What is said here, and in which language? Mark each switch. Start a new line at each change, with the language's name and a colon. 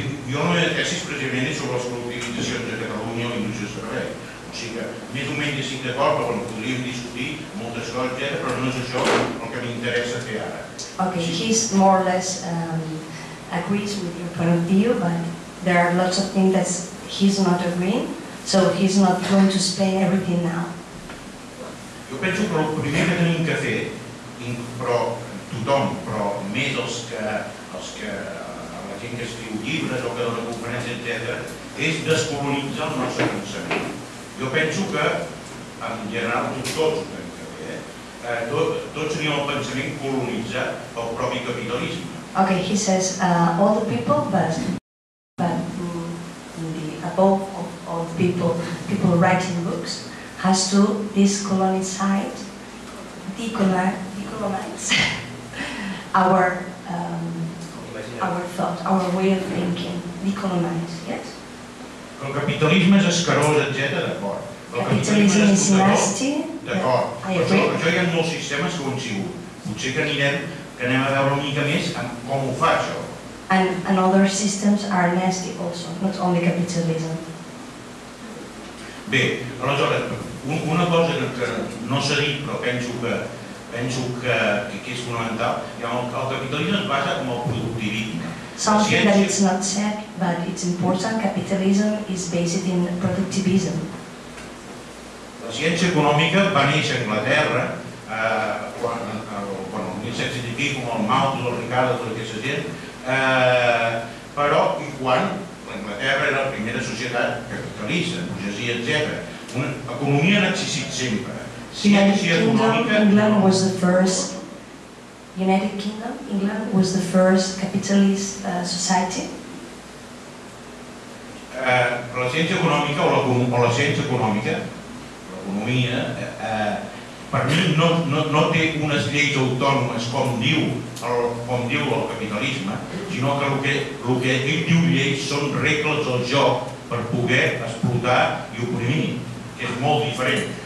Catalan: Jo no he d'acord precisament sobre les col·lectivitzacions de Catalunya o l'indústria servei. O sigui que, més o menys estic d'acord, però bueno, podríem discutir moltes coses, però no és això el que m'interessa fer ara.
English: Okay, he's more or less agrees with your point of view, but there are lots of things that he's not agreeing, so he's not going to spend everything now.
Catalan: Jo penso que el primer que hem de fer, però tothom, però més els que la gent que escriu llibres o que dona conferències, etc., és descolonitzar el nostre pensament. Jo penso que, en general, tots ho hem de fer, tots tenim el pensament colonitzat pel propi capitalisme.
English: Okay, he says all the people, but above of people writing books has to decolonize our thought, our way of thinking, decolonize, yes?
Catalan: El capitalisme és escarós, etc., d'acord. Capitalisme és
English: nasty,
Catalan: d'acord. Això hi ha molts sistemes que ho han sigut. Potser que anem a veure una mica més com ho fa això.
English: And other systems are nasty also, not only capitalism.
Catalan: Bé, aleshores, una cosa que no s'ha dit, però penso que és fonamental, el capitalisme es basa com el productivisme.
English: Something that it's not said, but it's important, capitalism is based in productivism.
Catalan: La ciència econòmica va néixer a Anglaterra, quan el 1700 i escaig, com el Malthus, el Ricardo, tota aquesta gent, però i quan Anglaterra era la primera societat capitalista, burgesia, etc. Una economia ha existit sempre. Ciència econòmica...
English: England was the first, United Kingdom, England was the first capitalist society.
Catalan: La ciència econòmica o la ciència econòmica, l'economia, per mi no té unes lleis autònomes com diu el capitalisme, sinó que el que ell diu lleis són regles del joc per poder explotar i oprimir, que és molt diferent.